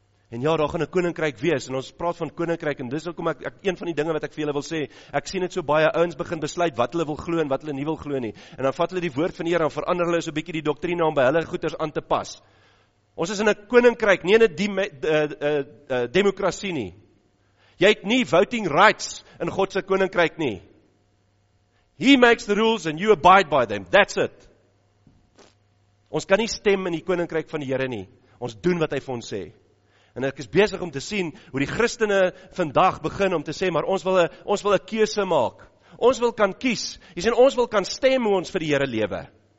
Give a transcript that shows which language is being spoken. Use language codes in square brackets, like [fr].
[af] En ja, daar gaan 'n koninkryk wees, en ons praat van koninkryk, en dis hoekom ek een van die dinge wat ek vir julle wil sê, ek sien het so baie ouens begin besluit wat hulle wil glo en wat hulle nie wil glo nie, en dan vat hulle die woord van die Here en verander hulle so 'n bietjie die doktrine om by hulle goeders aan te pas. Ons is in 'n koninkryk, nie in 'n demokrasie nie. Jy het nie voting rights in God se koninkryk nie. [en] He makes the rules and you abide by them. That's it. [af] Ons kan nie stem in die koninkryk van die Here nie. Ons doen wat hy vir ons sê. En ek is besig om te sien hoe die Christene vandag begin om te sê, maar ons wil 'n keuse maak. Ons wil kan kies. Jy sien, ons wil kan stem hoe ons vir die Here lewe.